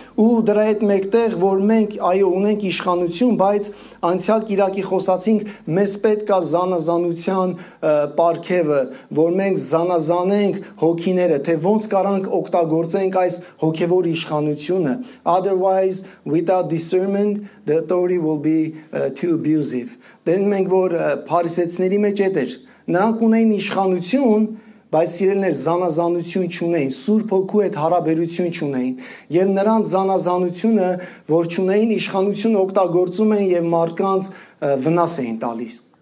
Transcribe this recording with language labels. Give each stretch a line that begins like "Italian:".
Armenian: Ու դրա հետ մեկտեղ, որ մենք այո ունենք իշխանություն, բայց անցյալ կիրակի խոսացինք, մեզ պետք է զանազանության պարգևը, որ մենք զանազանենք հոգիները, թե ոնց կարանք օգտագործենք այս հոգևոր իշխանությունը.
English: Otherwise, without discernment, the authority will be too abusive.
Armenian: Դեն մենք որ փարիսեցների մեջ այդ էր, նրանք ունեին իշխանություն, բայց իրեններ զանազանություն չունեին, Սուրբ Հոգու հետ հարաբերություն չունեին, եւ նրանց զանազանությունը, որ չունեին իշխանություն, օգտագործում էին եւ մարդկանց վնաս էին տալիս։